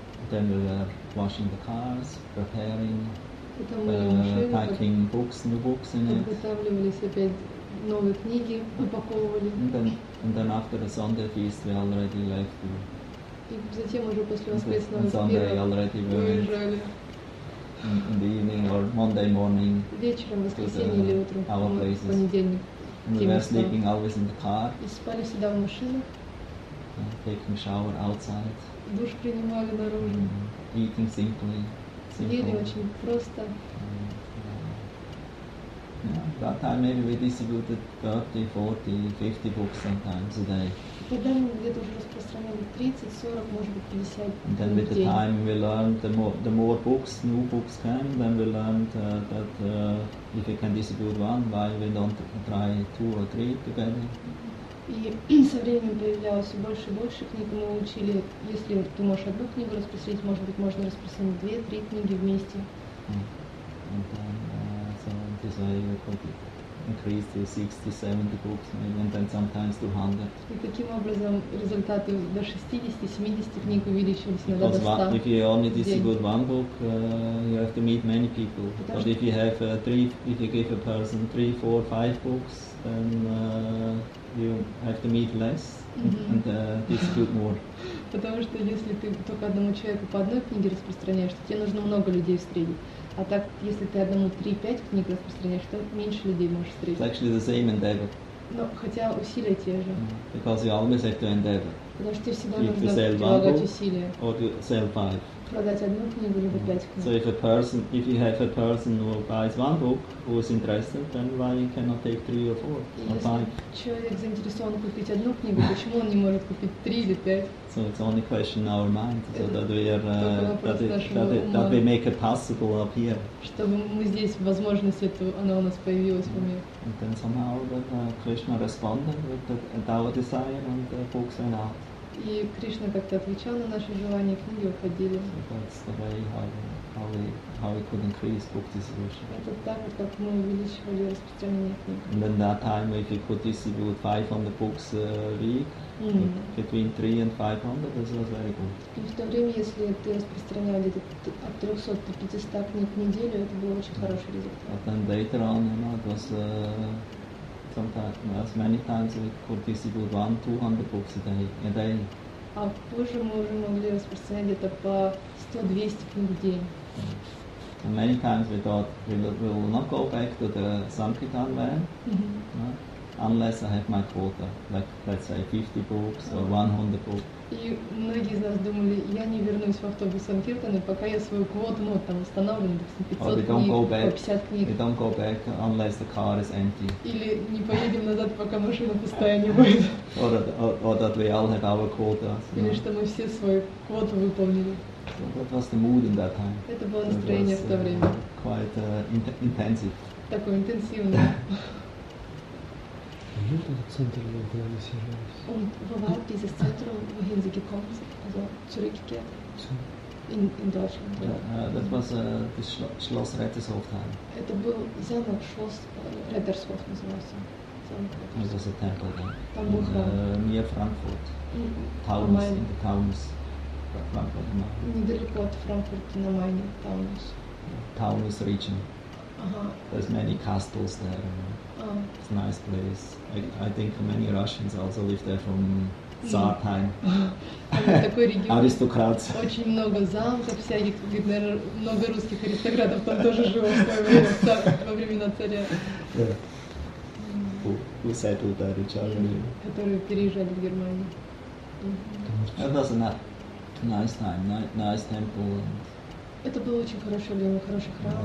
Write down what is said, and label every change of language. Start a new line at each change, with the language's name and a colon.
English: Then we were washing the cars, preparing, packing books, new books in it.
Russian: Подготавливались опять новые книги, упаковывали.
English: And then after the Sunday feast, we already left.
Russian: И затем уже после воскресного
English: Sunday we already
Russian: уезжали.
English: In the evening or Monday morning.
Russian: Вечером, воскресенье или утром.
English: Our places.
Russian: Понедельник.
English: And we were sleeping always in the car.
Russian: И спали всегда в машинах.
English: Taking shower outside.
Russian: Душ принимали наружу.
English: Eating simply.
Russian: Ели очень просто.
English: That time maybe we distributed 30, 40, 50 books sometimes a day.
Russian: Тогда мы где-то уже распространяли 30, 40, может быть, 50 книг.
English: And then with the time we learned, the more books, new books came, then we learned that if we can distribute one, why we don't try two or three together.
Russian: И со временем появлялось больше и больше книг, мы учили, если ты можешь одну книгу распространить, может быть, можно распространить две, три книги вместе.
English: And then, desire completed. Increase to 60-70 books, maybe, and then sometimes 200.
Russian: И таким образом результаты до 60-70 книг увеличились на 100.
English: If you only distribute one book, you have to meet many people. But if you have if you give a person 3, 4, 5 books, then you have to meet less and distribute more.
Russian: Потому что если ты только одному человеку по одной книге распространяешь, то тебе нужно много людей встретить. А так, если ты одному 3-5 книг распространяешь, то меньше людей можешь встретить.
English: It's actually the same endeavor.
Russian: Но хотя усилия те же.
English: Because you always have to endeavor.
Russian: Потому что тебе всегда нужно прилагать усилия.
English: Or to sell 5.
Russian: Продать одну книгу либо 5 книг.
English: So if you have a person who buys one book who is interested, then why you cannot take 3 or 4 or 5?
Russian: Если человек заинтересован купить одну книгу, почему он не может купить 3 или 5?
English: So it's only a question in our mind, so that we are that we make it possible up here.
Russian: Чтобы мы здесь возможность эту она у нас появилась в уме.
English: And then somehow that Krishna responded with our desire and the books went out.
Russian: И Кришна как-то отвечал на наши желания, книги уходили.
English: So that's the way how we could increase book distribution.
Russian: Это так, как мы увеличивали распространение книг.
English: Then that time, if we could distribute 500 books a week. Mm-hmm. Between 300 and 500, this was very good.
Russian: И в то время, если ты распространял где-то от 300 до 500 книг в неделю, это был очень хороший результат.
English: But then later on, you know, it was sometimes as many times we could distribute 100-200 books a day.
Russian: А позже мы уже могли распространять где-то по 100-200 книг в день. Mm-hmm.
English: And many times we thought we will not go back to the Sankirtan way. Mm-hmm. No? Unless I have my quota, like let's say 50 books or 100 books.
Russian: И многие из нас думали, я не вернусь в автобус Санкиртаны, пока я свою квоту, ну там установлю, допустим, 500 книг, 50 книг.
English: We don't go back unless the car is empty.
Russian: Или не поедем назад, пока машина пустая не будет.
English: Or that we all have our quotas.
Russian: Или что мы все свою квоту выполнили.
English: So that was the mood in that time.
Russian: Это было настроение в то время.
English: Quite intensive.
Russian: Такое интенсивное. Вот этот центр, где вы сижались. Он бывал из центра в Гензикекомце, also Zürich.
German: In Deutschland.
English: That was the Schloss Rettershof time.
Russian: Это был замок Schloss Rettershof назывался.
English: It was a temple there.
Russian: Там был храм.
English: Near Frankfurt. Taunus, in the Taunus.
Russian: Frankfurt, на Майне. Недалеко от Франкфурта на Майне, Taunus.
English: Taunus region. There's many castles there. It's a nice place. I think many Russians also live there from Tsar time. Aristocrats.
Russian: Очень много замков всяких, видно, много русских аристократов там тоже живут во времена царя.
English: Who settled there in Germany?
Russian: Которые переезжали в Германию.
English: It was a nice time, nice temple.
Russian: Это было очень хорошее время, хороший храм.